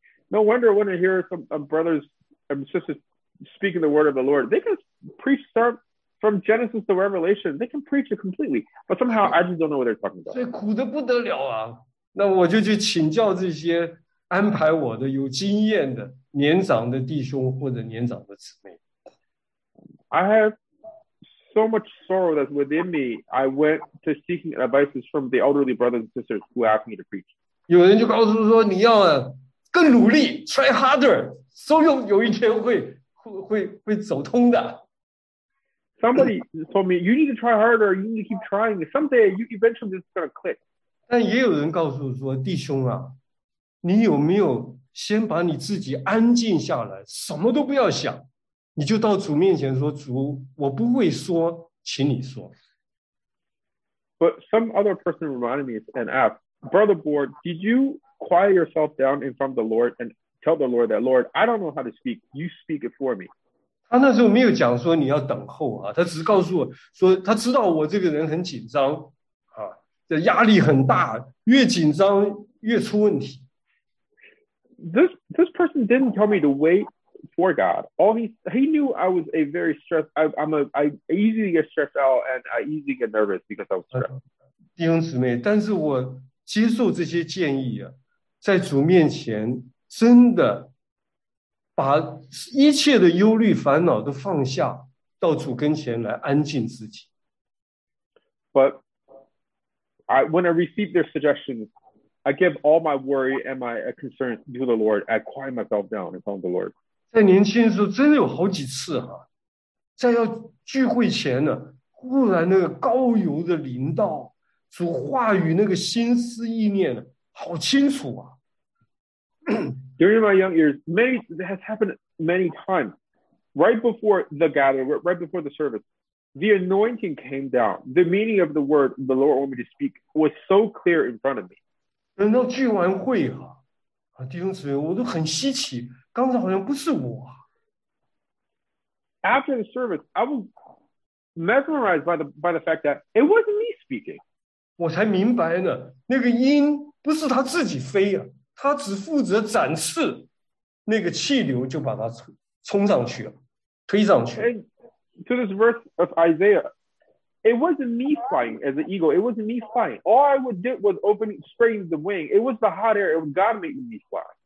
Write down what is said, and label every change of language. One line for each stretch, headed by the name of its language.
English: No wonder when I hear some brothers and sisters speaking the word of the Lord, they can preach from Genesis to Revelation, they can preach it completely, but somehow I just don't know what they're talking about.
Chinese: 所以苦得不得了啊！那我就去请教这些安排我的有经验的年长的弟兄或者年长的姊妹。
English: I have so much sorrow that's within me. I went to seeking advice from the elderly brothers and sisters who asked me to preach.
Chinese: 有人就告诉说你要更努力 ，
English: try harder，
Chinese: 所以有一天会走通的。
English: Somebody told me, you need to try harder, you need to keep trying. Someday, you eventually just gonna click.
Chinese: 但也有人告诉我说，弟兄啊，你有没有先把你自己安静下来，什么都不要想，你就到主面前说，主，我不会说，请你说。
English: But some other person reminded me and asked, Brother Board, did you quiet yourself down in front of the Lord and tell the Lord that, Lord, I don't know how to speak, you speak it for me.
Chinese: 他那时候没有讲说你要等候啊，他只是告诉我说他知道我这个人很紧张啊，这压力很大，越紧张越出问题。
English: This person didn't tell me to wait for God. All he knew I was a very stressed. I easily get stressed out and I easily get nervous because I was stressed.
Chinese: 弟兄姊妹，但是我接受这些建议啊，在主面前真的。把一切的忧虑烦恼都放下，到主跟前来安静自己。
English: But when I receive their suggestions, I give all my worry and my concern to the Lord. I quiet myself down in front of the Lord.
Chinese: 在年轻的时候，真的有好几次哈，在要聚会前呢，忽然那个膏油的临到，主话语那个心思意念呢，好清楚啊。
English: During my young years, this has happened many times. Right before the gathering, right before the service, the anointing came down. The meaning of the word the Lord wanted me to speak was so clear in front of me.
Chinese: 等到聚完会啊，弟兄姊妹，我都很稀奇，刚才好像不是我。
English: After the service, I was mesmerized by the fact that it wasn't me speaking.
Chinese: 我才明白呢，那个音不是他自己飞啊。他只负责展翅，那个气流就把他冲上去了，推上去。
English: And to this verse of Isaiah, it wasn't me flying as an eagle. It wasn't me flying. All I would do was spreading the wing. It was the hot air. It was God making me fly.